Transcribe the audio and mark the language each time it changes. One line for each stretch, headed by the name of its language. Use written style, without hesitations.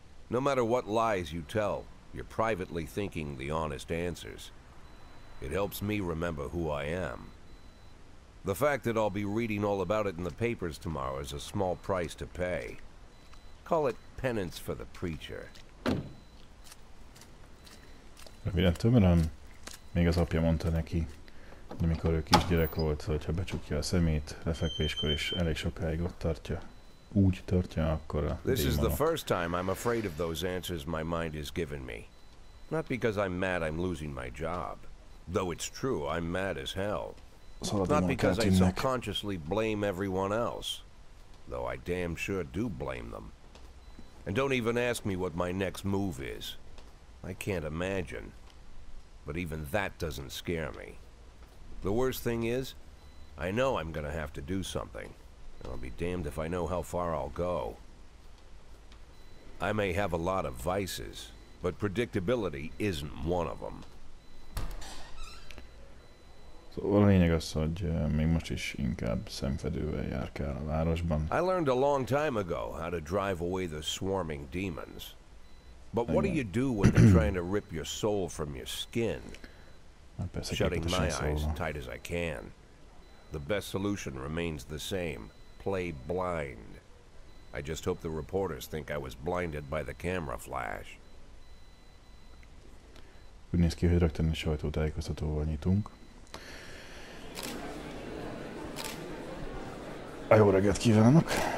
English: No matter what lies you tell, you're privately thinking the honest answers. It helps me remember who I am. The fact that I'll be reading all about it in the papers tomorrow is a small price to pay. Call it penance for the preacher.
Hungarian: Röviden tömören, még az apja mondta neki, amikor ő kisgyerek volt, hogyha becsukja a szemét lefekvéskor és elég sokáig ott tartja, úgy törtje, akkor a
English: This is the first time I'm afraid of those answers my mind has given me. Not because I'm mad I'm losing my job. Though it's true, I'm mad as hell. Not because I subconsciously blame everyone else. Though I damn sure do blame them. And don't even ask me what my next move is. I can't imagine. But even that doesn't scare me. The worst thing is, I know I'm gonna have to do something. I'll be damned if I know how far I'll go. I may have a lot of vices, but predictability isn't one of them.
Hungarian: Szóval a lényeg az, hogy még most is inkább szemfedővel jár kell a városban.
English: I learned a long time ago how to drive away the swarming demons. But what do you do when they're trying to rip your soul from your skin? Shutting my eyes tight as I can. The best solution remains the same. Play blind. I just hope the reporters think I was blinded by the camera flash.
Hungarian: Úgy néz ki, hogy rögtön egy sajtótájékoztatóval nyitunk. A jó reggelt kívánok!